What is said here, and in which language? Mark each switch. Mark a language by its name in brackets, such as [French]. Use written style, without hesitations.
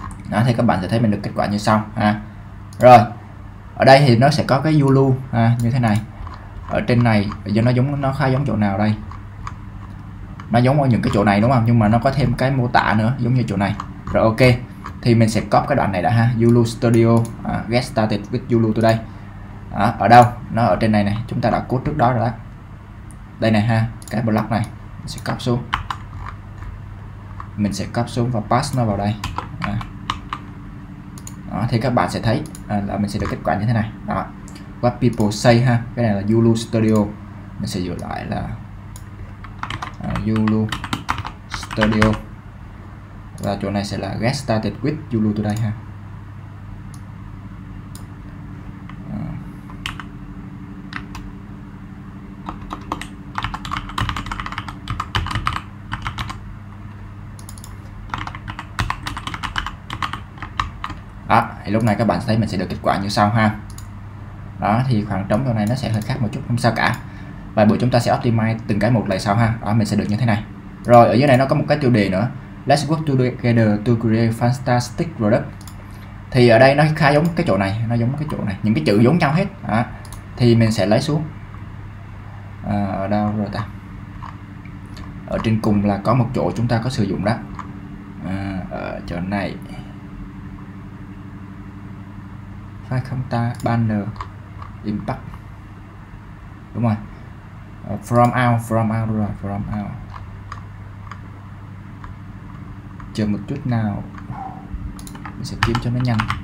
[Vietnamese] Đó, thì các bạn sẽ thấy mình được kết quả như sau ha. Rồi, ở đây thì nó sẽ có cái Yulu ha, như thế này. Ở trên này, giờ nó giống, nó khá giống chỗ nào đây? Nó giống ở những cái chỗ này đúng không? Nhưng mà nó có thêm cái mô tả nữa, giống như chỗ này. Rồi ok, thì mình sẽ copy cái đoạn này đã ha. [English] Yulu Studio, Get Started with Yulu Today. [Vietnamese] Đó, ở đâu? Nó ở trên này này, chúng ta đã code trước đó rồi đó. Đây này ha, cái block này mình sẽ copy xuống. Mình sẽ copy xuống và pass nó vào đây. Đó, thì các bạn sẽ thấy là mình sẽ được kết quả như thế này. Đó, [English] what people say [Vietnamese] ha, cái này là Yulu Studio. Mình sẽ giữ lại là Yulu Studio. Và chỗ này sẽ là [English] Get Started with Yulu Today [Vietnamese] ha. Đó, thì lúc này các bạn thấy mình sẽ được kết quả như sau ha. Đó, thì khoảng trống chỗ này nó sẽ hơi khác một chút, không sao cả. Và buổi chúng ta sẽ optimize từng cái một lại sau ha. Đó, mình sẽ được như thế này. Rồi, ở dưới này nó có một cái tiêu đề nữa. [English] Let's work together to create fantastic product. [Vietnamese] Thì ở đây nó khá giống cái chỗ này, nó giống cái chỗ này. Những cái chữ giống nhau hết. Đó, thì mình sẽ lấy xuống. Ở đâu rồi ta? Ở trên cùng là có một chỗ chúng ta có sử dụng đó. Ở chỗ này phải không ta, banner impact đúng rồi, from out rồi, from out chờ một chút nào, mình sẽ kiếm cho nó nhanh.